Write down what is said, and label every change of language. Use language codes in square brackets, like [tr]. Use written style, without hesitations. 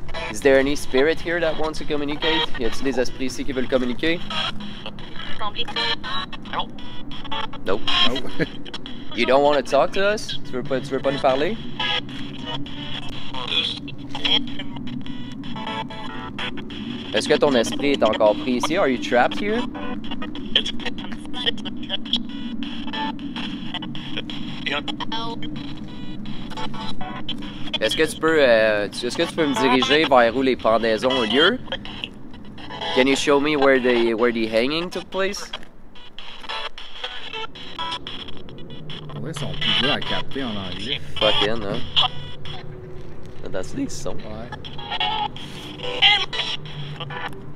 [en] Is there any spirit here that wants to communicate? [fr] Y a-t-il des esprits ici qui veulent communiquer? [en] Nope. Nope. You don't want to talk to us? [fr] Tu veux pas nous parler? Est-ce que ton esprit est encore pris ici? [en] Are you trapped here? [fr] Est-ce que tu peux me diriger vers où les pendaisons ont lieu? [en] Can you show me where the hanging took place? [fr] Ouais, ils sont plus durs à capter en anglais. Fucking, hein? Ça, c'est des sons. Ouais.